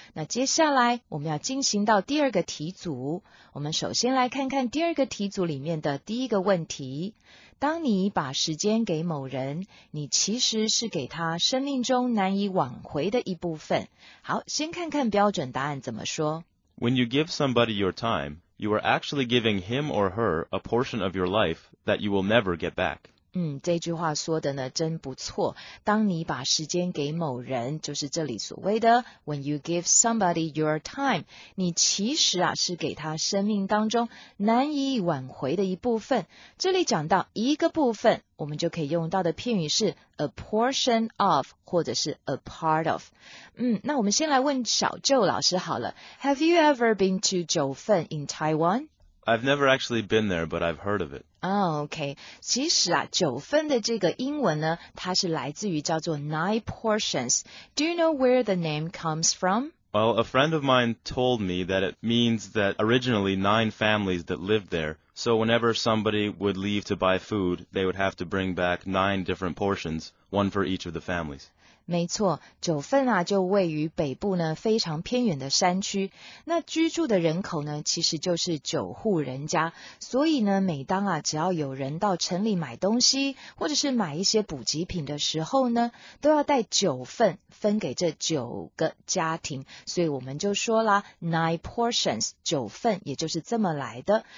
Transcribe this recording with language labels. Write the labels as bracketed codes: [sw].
[zh] 那接下来我们要进行到第二个题组，我们首先来看看第二个题组里面的第一个问题。当你把时间给某人，你其实是给他生命中难以挽回的一部分。好，先看看标准答案怎么说。 [en] When you give somebody your time, you are actually giving him or her a portion of your life that you will never get back. [zh] 这句话说的呢真不错。当你把时间给某人，就是这里所谓的 [en] when you give somebody your time, [zh] 你其实啊是给他生命当中难以挽回的一部分。这里讲到一个部分，我们就可以用到的片语是 a portion of 或者是 a part of。那我们先来问小舅老师好了。 [en] Have you ever been to 九份 in Taiwan? I've never actually been there, but I've heard of it. [zh] OK, 其实啊九份的这个英文呢，它是来自于叫做 nine portions. [en] Do you know where the name comes from? Well, a friend of mine told me that it means that originally nine families that lived there, so whenever somebody would leave to buy food, they would have to bring back nine different portions, one for each of the families. [zh] 没错，九份啊就位于北部呢非常偏远的山区，那居住的人口呢其实就是九户人家，所以呢每当啊只要有人到城里买东西或者是买一些补给品的时候呢，都要带九份分给这九个家庭，所以我们就说啦 nine portions， 九份也就是这么来的。